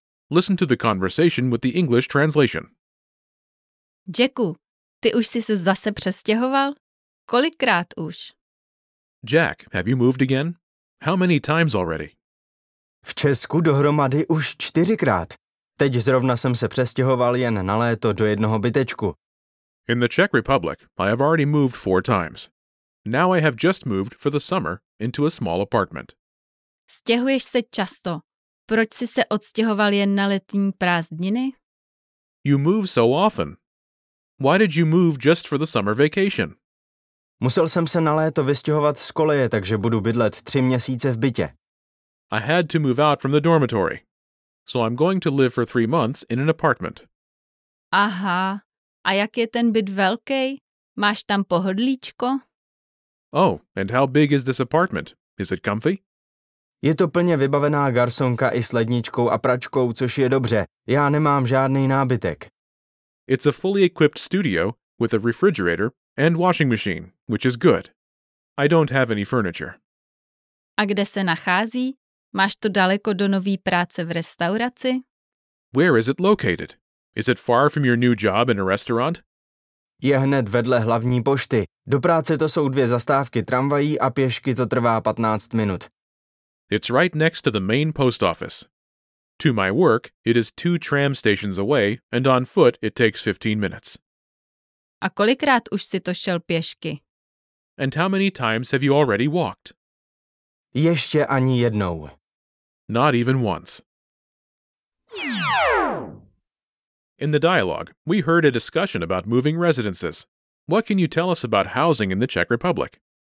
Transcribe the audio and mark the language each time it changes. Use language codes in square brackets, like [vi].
[en] Listen to the conversation with the English translation. [cs] Jacku, ty už jsi se zase přestěhoval? Kolikrát už? [en] Jack, have you moved again? How many times already? [cs] V Česku dohromady už 4x. Teď zrovna jsem se přestěhoval jen na léto do jednoho bytečku. [en] In the Czech Republic, I have already moved 4 times. Now I have just moved for the summer into a small apartment. [cs] Stěhuješ se často. Proč jsi se odstěhoval jen na letní prázdniny? [en] You move so often. Why did you move just for the summer vacation? [cs] Musel jsem se na léto vystěhovat z koleje, takže budu bydlet 3 měsíce v bytě. [en] I had to move out from the dormitory. So I'm going to live for 3 months in an apartment. [cs] Aha, a jak je ten byt velký? Máš tam pohodlíčko? [en] Oh, and how big is this apartment? Is it comfy? [cs] Je to plně vybavená garsonka i s ledničkou a pračkou, což je dobře. Já nemám žádný nábytek. [en] It's a fully equipped studio with a refrigerator and washing machine, which is good. I don't have any furniture. [cs] A kde se nachází? Máš to daleko do nový práce v restauraci? [en] Where is it located? Is it far from your new job in a restaurant? [cs] Je hned vedle hlavní pošty. Do práce to jsou 2 zastávky tramvají a pěšky to trvá 15 minut. [en] It's right next to the main post office. To my work, it is 2 tram stations away, and on foot it takes 15 minutes. [cs] A kolikrát už jsi to šel pěšky? [en] And how many times have you already walked? [cs] Ještě ani jednou. [en] Not even once. In the dialogue, we heard a discussion about moving residences. What can you tell us about housing in the Czech Republic?